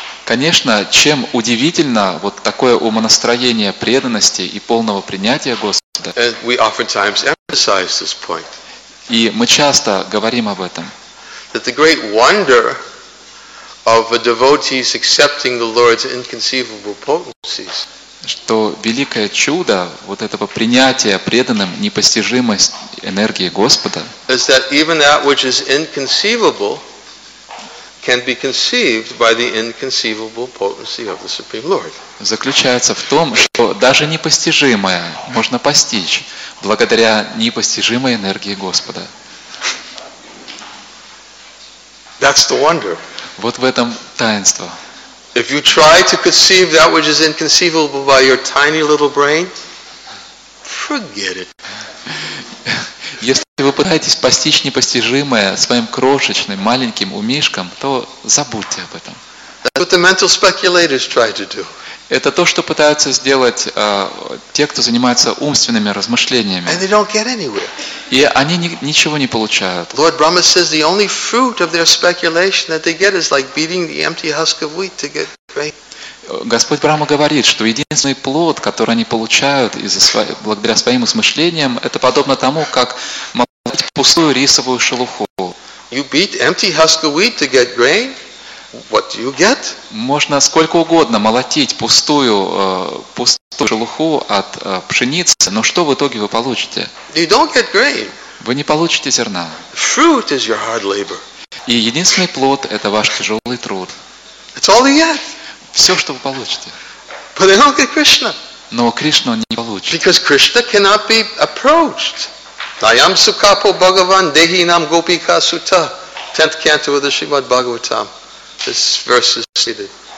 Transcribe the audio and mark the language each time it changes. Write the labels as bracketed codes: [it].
[ru] Конечно, чем удивительно вот такое умонастроение преданности и полного принятия Господа. [en] And we oftentimes emphasize emphasize this point. [ru] И мы часто говорим об этом. [en] That the great wonder of a devotee's accepting the Lord's inconceivable potencies. [ru] Что великое чудо вот этого принятия преданным непостижимость энергии Господа. [en] Is that even that which is inconceivable can be conceived by the inconceivable potency of the Supreme Lord. [ru] Заключается в том, что даже непостижимое можно постичь благодаря непостижимой энергии Господа. [en] That's the wonder. [ru] Вот в этом таинство. [en] If you try to conceive that which is inconceivable by your tiny little brain, forget it. [ru] Если вы пытаетесь постичь непостижимое своим крошечным маленьким умишком, то забудьте об этом. [en] That's what the mental speculators try to do. [ru] Это то, что пытаются сделать те, кто занимается умственными размышлениями. [en] And they don't get anywhere. [ru] И они ничего не получают. [en] Lord Brahma says the only fruit of their speculation that they get is like beating the empty husk of wheat to get grain. [ru] Господь Брама говорит, что единственный плод, который они получают благодаря своим измышлениям, это подобно тому, как молоть пустую рисовую шелуху. [en] You beat empty husk of wheat to get grain? What do you get? [ru] Можно сколько угодно молотить пустую шелуху от пшеницы, но что в итоге вы получите? [en] You don't get grain. [ru] Вы не получите зерна. [en] Fruit is your hard labor. [ru] И единственный плод – это ваш тяжелый труд. [en] It's all you get. [ru] Все, что вы получите. [en] But they don't get Krishna. [ru] Но Кришну он не получит. [en] Because Krishna cannot be approached. [sa] Nayam sukapo bhagavan dehi nam gopika sutta. [en] 10th canto of the Srimad Bhagavatam. This verse is stated.